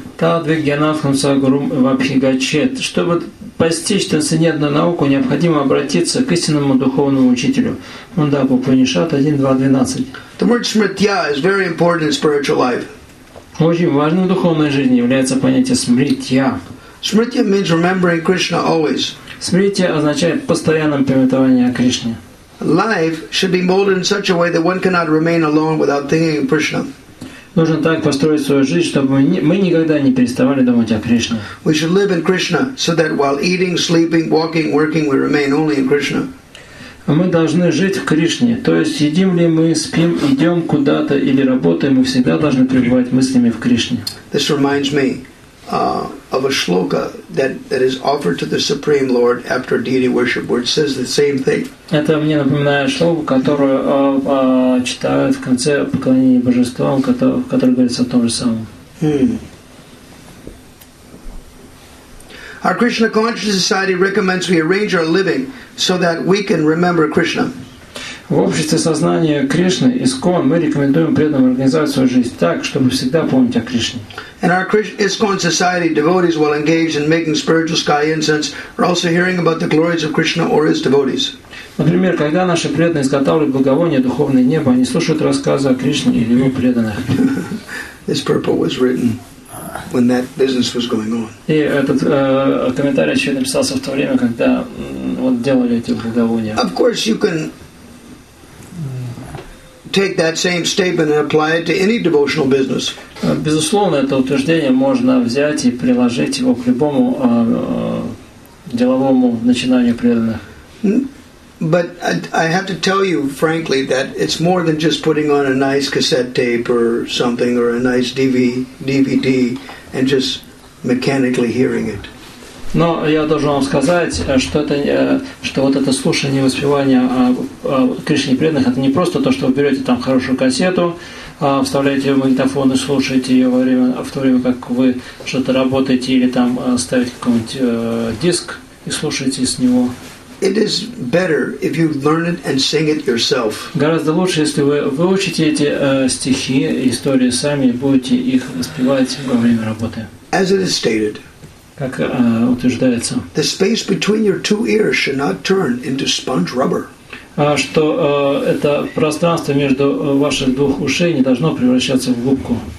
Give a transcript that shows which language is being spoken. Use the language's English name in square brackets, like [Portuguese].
[Sanskrit] Тадвигьянартхам сагурум эвабхигачет. [Russian] Чтобы постичь трансцендентную науку, необходимо обратиться к истинному духовному учителю. Мукундаку Упанишад 1.2.12. [English] The word smritya is very important in spiritual life. [Russian] Очень важным в духовной жизни является понятие смритья. [English] Smritya means remembering Krishna always. [Russian] Смритья означает постоянное памятование о Кришне. [English] Life should be molded in such a way that one cannot remain alone without thinking of Krishna. [Russian] Нужно так построить свою жизнь, чтобы мы никогда не переставали думать о Кришне. [English] We should live in Krishna so that while eating, sleeping, walking, working, we remain only in Krishna. [Russian] Мы должны жить в Кришне, то есть едим ли мы, спим, идем куда-то или работаем, мы всегда должны пребывать мыслями в Кришне. [English] This reminds me of a shloka that is offered to the Supreme Lord after deity worship, where it says the same thing. [Russian] Это мне напоминает шлоку, которую читают в конце поклонения божествам, который говорится о том же самом. [English] Our Krishna conscious society recommends we arrange our living so that we can remember Krishna. [Russian] В обществе сознания Кришны ИСККОН мы рекомендуем преданным организовать свою жизнь так, чтобы всегда помнить о Кришне. [English] In our ISKCON society, devotees while engaged in making spiritual sky incense are also hearing about the glories of Krishna or his devotees. [Russian] Например, когда наши преданные изготавливают благовония духовное небо, они слушают рассказы о Кришне или его преданных. [English] This purport was written when that business was going on. [Russian] И этот комментарий еще написался в то время, когда вот делали эти благовония. [English] Of course, you can take that same statement and apply it to any devotional business. [Russian] Безусловно, это утверждение можно взять и приложить его к любому деловому начинанию преданных. [English] But I have to tell you frankly that it's more than just putting on a nice cassette tape or something or a nice DVD and just mechanically hearing it. [Russian] Но я должен вам сказать, что вот это слушание и воспевание Кришне преданных, это не просто то, что вы берете там хорошую кассету, вставляете ее в магнитофон и слушаете ее в то время, как вы что-то работаете или там ставите какой-нибудь диск и слушаете с него. [English] It is better if you learn it and sing it yourself. [Russian] Гораздо лучше, если вы выучите эти стихи, истории сами и будете их воспевать во время работы. [English] As it is stated. [Russian] Как утверждается. [English] The space between your two ears should not turn into sponge rubber. [Russian] Что это пространство между ваших двух ушей не должно превращаться в губку.